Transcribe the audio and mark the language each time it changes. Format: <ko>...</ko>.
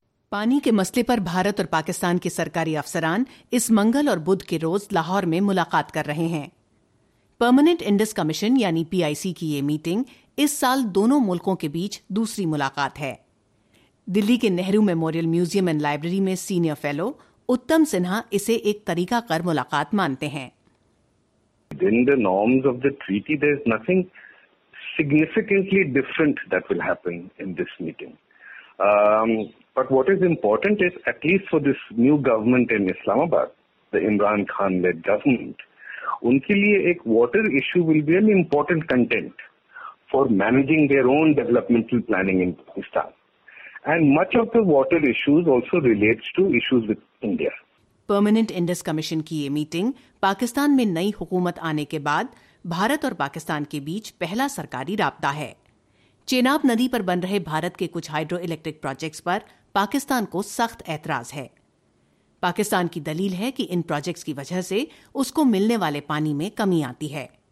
<ur>پانی کے مسئلے پر بھارت اور پاکستان کے سرکاری افسران اس منگل اور بدھ کے روز لاہور میں ملاقات کر رہے ہیں. پرماننٹ انڈس کمیشن یعنی پی آئی سی کی یہ میٹنگ اس سال دونوں ملکوں کے بیچ دوسری ملاقات ہے. دلی کے Nehru memorial museum and library میں سینئر فیلو اتم سنہا اسے ایک طریقہ کر ملاقات مانتے ہیں.</ur> <en>In the norms of the treaty, there is nothing significantly different that will happen in this meeting. But what is important is, at least for this new government in Islamabad, the Imran Khan-led government,</en> <ur>unke liye ek</ur> <en>water issue will be an important content for managing their own developmental planning in Pakistan. And much of the water issues also relates to issues with India.</en> <ur>Permanent Indus commission کی یہ meeting Pakistan میں نئی حکومت آنے کے بعد بھارت اور پاکستان کے بیچ پہلا سرکاری رابطہ ہے. چیناب ندی پر بن رہے بھارت کے کچھ ہائیڈرو الیکٹرک پروجیکٹس پر پاکستان کو سخت اعتراض ہے. پاکستان کی دلیل ہے کہ ان پروجیکٹس کی وجہ سے اس کو ملنے والے پانی میں کمی آتی ہے.</ur>